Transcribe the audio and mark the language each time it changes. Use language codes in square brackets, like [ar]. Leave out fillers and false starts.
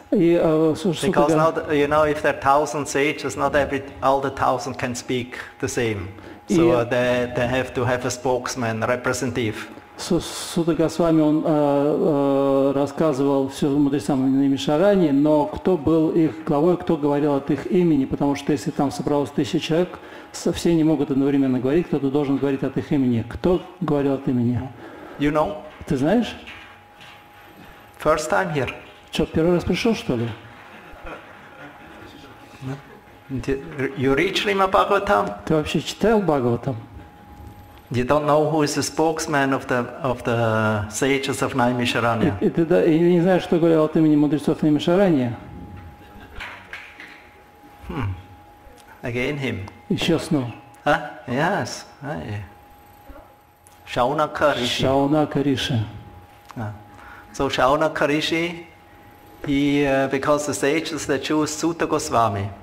[en] Because not, you know, if there are 1,000 sages, not every, all the 1,000 can speak the same. So they have to have a spokesman, representative. [ru] Сута Госвами, он рассказывал все мудрецам Наймишараньи, но кто был их главой, кто говорил от их имени, потому что если там собралось 1,000 человек, все не могут одновременно говорить, кто-то должен говорить от их имени. Кто говорил от имени? [en] You know? [ru] Ты знаешь? [en] First time here. [ru] Что, первый раз пришел, что ли? [en] You read Shrima Bhagavatam? [ru] Ты вообще читал Бхагаватам? [en] You don't know who is the spokesman of the sages of Naimisharanya. You [ru] не знаешь, что говорил от имени мудрецов Наймишараньи? [en] Again him. [ru] Еще снова. [en] Huh? Yes. Hey. Shaunaka Rishi. Shaunaka Rishi. So Shaunaka Rishi, because the sages they choose Sutta Goswami.